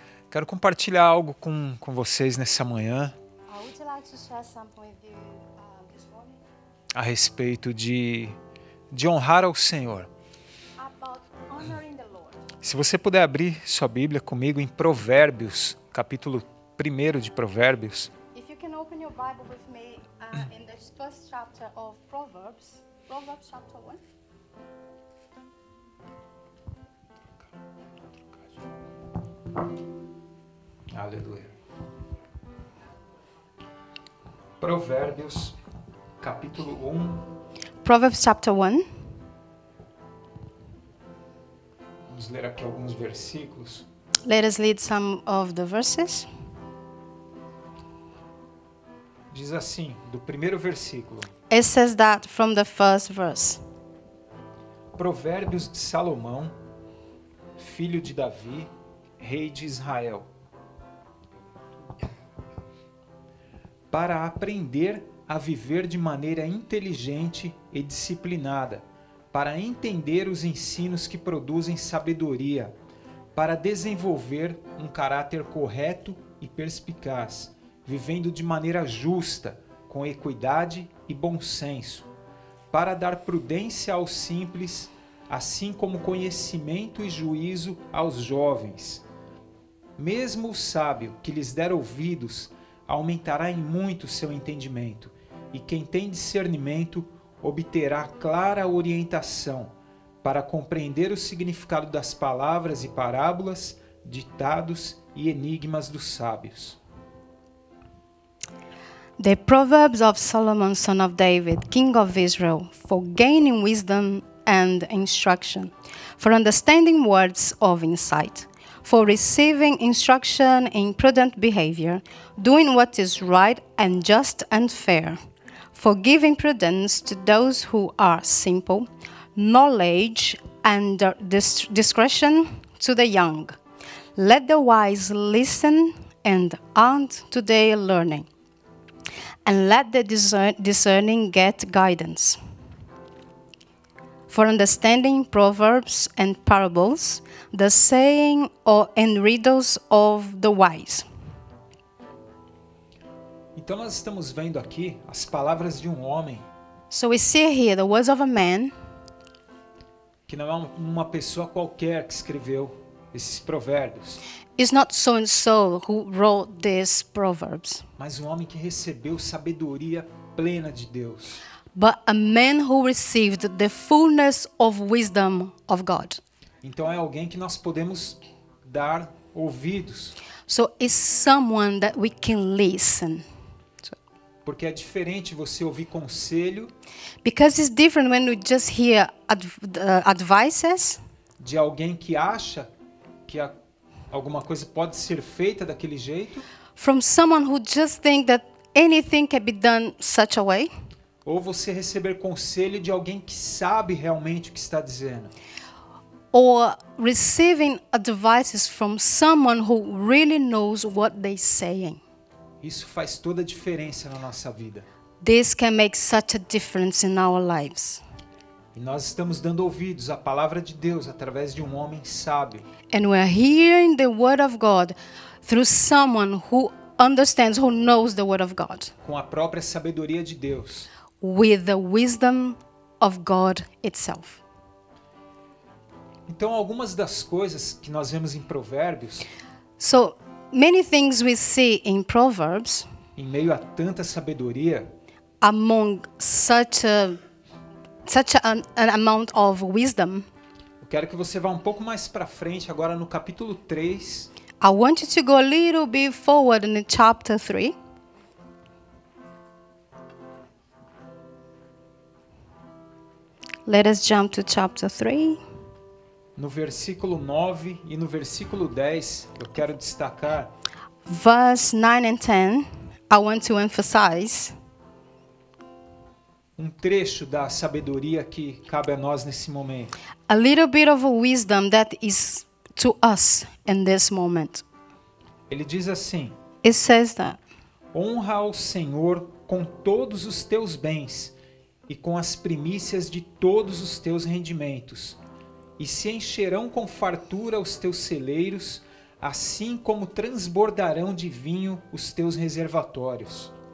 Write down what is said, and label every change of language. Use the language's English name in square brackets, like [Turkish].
[Portuguese] Quero compartilhar algo com vocês nessa manhã. [English] I would like to share something with you, this morning. [Portuguese] A respeito de honrar ao Senhor. [English] About honoring the Lord. [Portuguese] Se você puder abrir sua Bíblia comigo em Provérbios, capítulo 1 de Provérbios. [English] If you can open your Bible with me in the first chapter of Proverbs, Proverbs chapter 1. [Portuguese] Aleluia. Provérbios, capítulo 1. [English] Proverbs chapter 1. [Portuguese] Vamos ler aqui alguns versículos. [English] Let us read some of the verses. [Portuguese] Diz assim, do primeiro versículo. [English] It says that from the first verse. [Portuguese] Provérbios de Salomão, filho de Davi, rei de Israel. Para aprender a viver de maneira inteligente e disciplinada, para entender os ensinos que produzem sabedoria, para desenvolver um caráter correto e perspicaz, vivendo de maneira justa, com equidade e bom senso, para dar prudência aos simples, assim como conhecimento e juízo aos jovens. mesmo o sábio que lhes der ouvidos aumentará em muito seu entendimento, e quem tem discernimento obterá clara orientação para compreender o significado das palavras e parábolas, ditados e enigmas dos sábios. [English] The Proverbs of Solomon, son of David, king of Israel, for gaining wisdom and instruction, for understanding words of insight, for receiving instruction in prudent behavior, doing what is right and just and fair, for giving prudence to those who are simple, knowledge and discretion to the young. Let the wise listen and add to their learning. And let the discerning get guidance. For understanding proverbs and parables, the saying or and riddles of the wise. [Portuguese] Então nós estamos vendo aqui as palavras de um homem. [English] So we see here the words of a man. [Portuguese] Que não é uma pessoa qualquer que escreveu esses provérbios. [English] It's not so and so who wrote these proverbs. [Portuguese] Mas um homem que recebeu sabedoria plena de Deus. [English] But a man who received the fullness of wisdom of God. [Portuguese] Então é alguém que nós podemos dar ouvidos. [English] So it's someone that we can listen. [Portuguese] Porque é diferente você ouvir conselho. [English] Because it's different when we just hear advices. [Portuguese] De alguém que acha que a alguma coisa pode ser feita daquele jeito? [English] From someone who just think that anything can be done such a way? [Portuguese] Ou você receber conselho de alguém que sabe realmente o que está dizendo? [English] Or receiving advices from someone who really knows what they're saying. [Portuguese] Isso faz toda a diferença na nossa vida. [English] This can make such a difference in our lives. [Portuguese] E nós estamos dando ouvidos à palavra de Deus através de um homem sábio. [English] And we are hearing the word of God through someone who understands, who knows the word of God. [Portuguese] Com a própria sabedoria de Deus. [English] With the wisdom of God itself. [Portuguese] Então, algumas das coisas que nós vemos em Provérbios. [English] So, many things we see in Proverbs. [Portuguese] Em meio a tanta sabedoria. [English] Among such a such an amount of wisdom. [Portuguese] Eu quero que você vá um pouco mais para frente agora no capítulo 3. [English] I want you to go a little bit forward in chapter 3. Let us jump to chapter 3. [Portuguese] No versículo 9 e no versículo 10, eu quero destacar. [English] Verse 9 and 10, I want to emphasize. [Portuguese] Um trecho da sabedoria que cabe a nós nesse momento. [English] A little bit of wisdom that is to us in this moment. [Portuguese] Ele diz assim. [English] It says that. [Portuguese] Honra ao Senhor com todos os teus bens e com as primícias de todos os teus rendimentos. E se encherão com fartura os teus celeiros, assim como transbordarão de vinho os teus reservatórios.